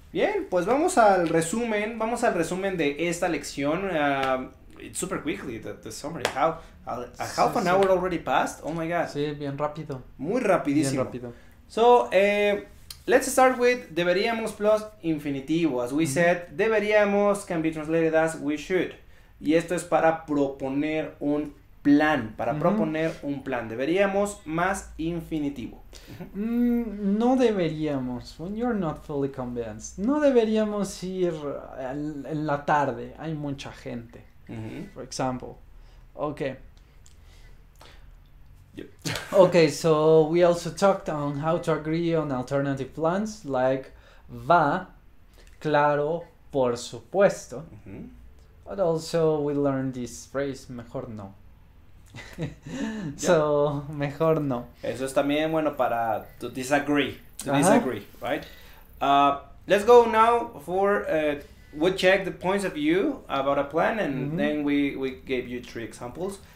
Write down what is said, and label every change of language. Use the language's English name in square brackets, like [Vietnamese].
[Spanish] Bien, pues vamos al resumen. Vamos al resumen de esta lección. [English] It's super quickly, the summary. Half an hour already passed? Oh my God. [Spanish] Sí, bien rápido. Muy rapidísimo. Bien rápido. [English] So, let's start with deberíamos plus infinitivo. As we said, deberíamos can be translated as we should. [Spanish] Y esto es para proponer un plan, para proponer un plan. Deberíamos más infinitivo. No deberíamos, [English] when you're not fully convinced. [Spanish] No deberíamos ir en la tarde, hay mucha gente. [English] For example. Okay. Yep. Okay, so we also talked on how to agree on alternative plans, like [Spanish] va, claro, por supuesto, [English] but also we learned this phrase, [Spanish] mejor no. [English] So, [Spanish] mejor no. Eso es también bueno para [English] to disagree, right? Let's go now for, we check the points of view about a plan and then we gave you 3 examples.